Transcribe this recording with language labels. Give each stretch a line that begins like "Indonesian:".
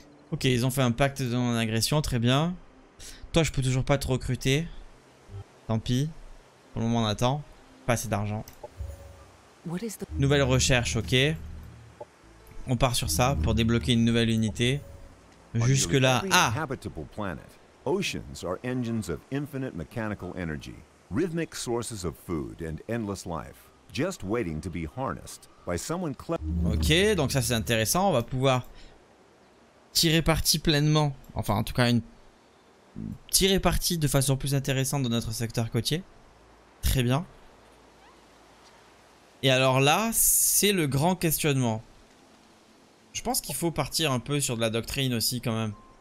French: Ok, ils ont fait un pacte de non-agression, très bien. Toi, je peux toujours pas te recruter. Tant pis. Pour le moment, on attend. Pas assez d'argent. Nouvelle recherche, ok. On part sur ça pour débloquer une nouvelle unité. Jusque-là, ah!
English: Oceans are engines of infinite mechanical energy, rhythmic sources of food and endless life, just waiting to be harnessed by someone clever.
French: Ok, donc ça c'est intéressant, on va pouvoir tirer parti pleinement, enfin en tout cas une tirer parti de façon plus intéressante de notre secteur côtier. Très bien. Et alors là, c'est le grand questionnement. Je pense qu'il faut partir un peu sur de la doctrine aussi quand même.